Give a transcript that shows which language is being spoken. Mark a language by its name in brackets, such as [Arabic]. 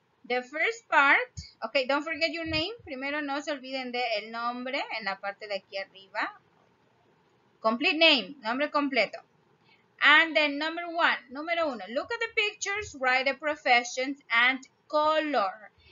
[English] The first part, okay, don't forget your name. [Spanish] Primero no se olviden de el nombre en la parte de aquí arriba. [English] Complete name, [Spanish] nombre completo. [English] And then number one, look at the pictures, write the professions, and color.